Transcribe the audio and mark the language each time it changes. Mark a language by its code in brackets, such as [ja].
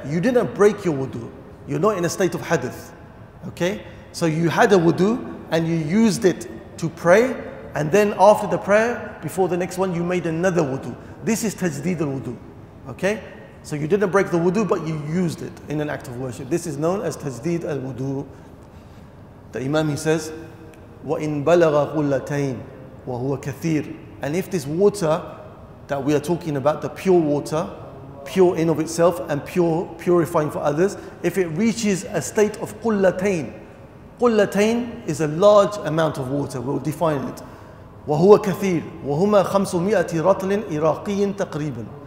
[en] You didn't break your wudu. You're not in a state of hadith, okay? So you had a wudu and you used it to pray, and then after the prayer, before the next one, you made another wudu. This is tajdeed al-wudu, okay? So you didn't break the wudu, but you used it in an act of worship. This is known as tajdeed al-wudu. The Imam, he says, [ar] وَإِن بَلَغَ غُلَّتَيْنِ وَهُوَ كَثِيرٌ. [en] And if this water that we are talking about, the pure water, pure in of itself and pure purifying for others, if it reaches a state of qullatayn, qullatayn is a large amount of water, we'll define it. [ar] وَهُوَ كَثِيرٌ وَهُمَا خَمْسُ مِئَةِ رَطْلٍ إِرَاقِيٍ تَقْرِيبًا.